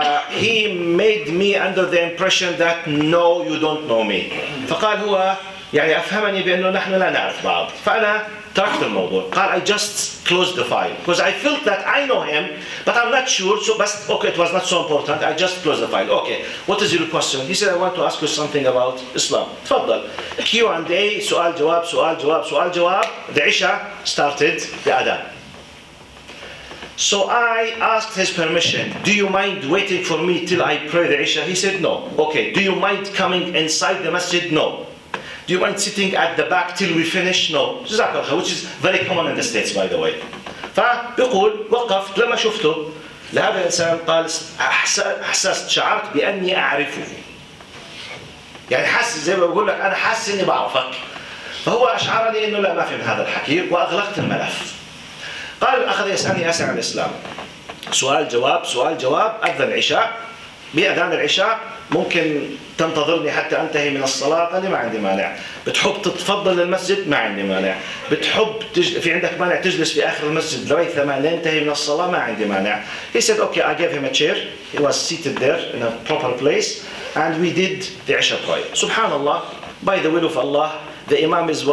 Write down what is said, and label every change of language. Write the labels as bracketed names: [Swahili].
[English] He made me under the impression that no, you don't know me. [Arabic] فقال هو يعني أفهمني بأنه نحن لا نعرف بعض. فأنا تركت الموضوع. قال [English] I just closed the file. Because I felt that I know him, but I'm not sure. So, but okay, it was not so important. I just closed the file. Okay, what is your question? He said, I want to ask you something about Islam. [Arabic] تفضل. [English] Q&A, [Arabic] سؤال جواب, سؤال جواب, سؤال جواب. [English] The Isha started the Adhan. So I asked his permission, do you mind waiting for me till I pray the Isha? He said, no. Okay, do you mind coming inside the masjid? No. Do you mind sitting at the back till we finish? No. Jazakallah, which is very common in the States, by the way. [Arabic] فبيقول وقفت لما شفته لهذا الإنسان قال أحسست شعرت بأني أعرفه. يعني حس زي ما بقول لك أنا حاس إني بعرفك. فهو أشعرني إنه لا ما في من هذا الحكير وأغلقت الملف. قال أخذ يسألني أسئلة عن الإسلام. سؤال جواب سؤال جواب أذن العشاء. بأذان العشاء ممكن تنتظرني حتى أنتهي من الصلاة قال لي ما عندي مانع بتحب تتفضل للمسجد ما عندي مانع بتحب في عندك مانع تجلس في آخر المسجد ريثما لينتهي من الصلاة ما عندي مانع [English] He said okay I gave him a chair He was seated there in a proper place And we did the Isha prayer [Arabic] سبحان الله [English] By the will of Allah The Imam